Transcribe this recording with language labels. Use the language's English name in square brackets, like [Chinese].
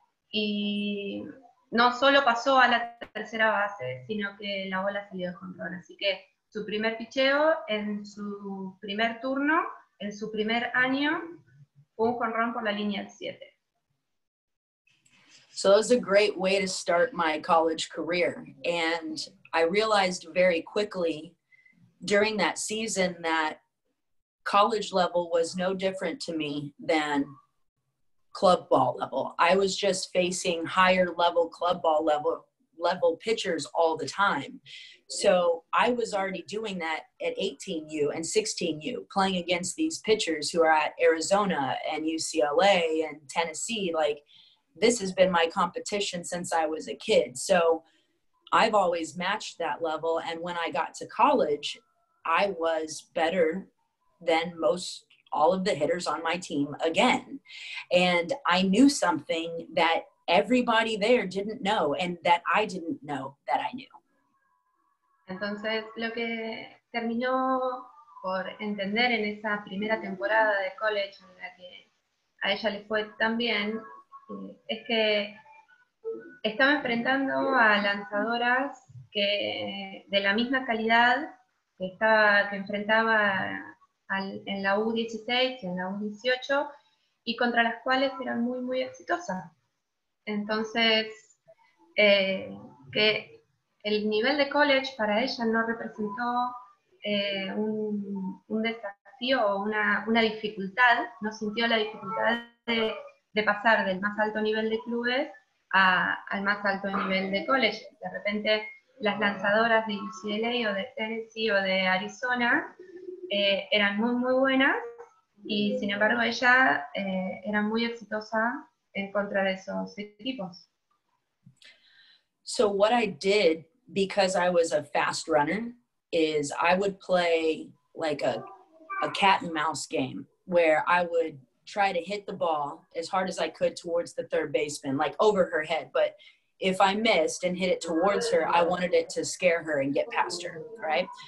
[Spanish] Y no solo pasó a la tercera base, sino que la bola salió de control. Así que su primer picheo en su primer turno, en su primer año, fue un jonrón por la línea 7. [English] So it was a great way to start my college career. And I realized very quickly during that season that college level was no different to me than club ball level. I was just facing higher level club ball level pitchers all the time. So I was already doing that at 18U and 16U, playing against these pitchers who are at Arizona and UCLA and Tennessee. Like, this has been my competition since I was a kid. So I've always matched that level. And when I got to college, I was better than most all of the hitters on my team again. And I knew something that everybody there didn't know and that I didn't know that I knew. [Spanish] Entonces, lo que terminó por entender en esa primera temporada de college en la que a ella le fue tan bien, es que estaba enfrentando a lanzadoras que de la misma calidad que enfrentaba en la U16 y en la U18, y contra las cuales eran muy, muy exitosas. Entonces, que el nivel de college para ella no representó un desafío o una dificultad, no sintió la dificultad de pasar del más alto nivel de clubes al más alto nivel de college. De repente, las lanzadoras de UCLA o de Tennessee o de Arizona eran muy, muy buenas, Y sin embargo, ella era muy exitosa en contra de esos equipos. [English] So what I did, because I was a fast runner, is I would play like a cat and mouse game where I would try to hit the ball as hard as I could towards the third baseman, like over her head. But if I missed and hit it towards her, I wanted it to scare her and get past her, right?